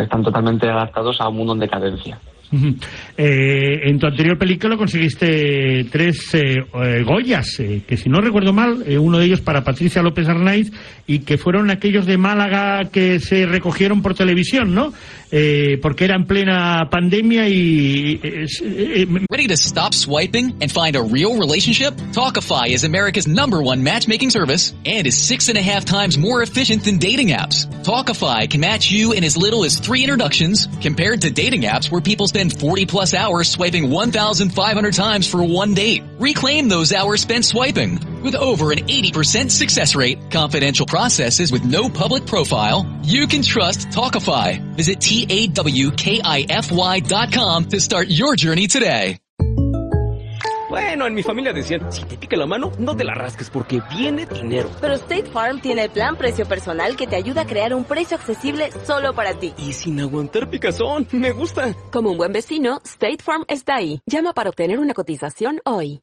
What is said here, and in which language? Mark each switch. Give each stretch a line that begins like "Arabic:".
Spanish: Están totalmente adaptados a un mundo en decadencia. En tu anterior película conseguiste tres Goyas, que si no recuerdo mal, uno de ellos para Patricia López Arnaiz, y que fueron aquellos de Málaga que se recogieron por televisión, ¿no? Porque era en plena pandemia y...
English: Ready to stop swiping and find a real relationship? Talkify is America's number one matchmaking service and is 6.5 times more efficient than dating apps. Talkify can match you in as little as 3 introductions compared to dating apps where people spend 40 plus hours swiping 1,500 times for one date. Reclaim those hours spent swiping. With over an 80% success rate, confidential processes with no public profile, you can trust Talkify. Visit TAWKIFY.com to start your journey today.
Spanish: Bueno, en mi familia decían, si te pica la mano, no te la rasques porque viene dinero. Pero State Farm tiene el plan precio personal que te ayuda a crear un precio accesible solo para ti. Y sin aguantar picazón, me gusta. Como un buen vecino, State Farm está ahí. Llama para obtener una cotización hoy.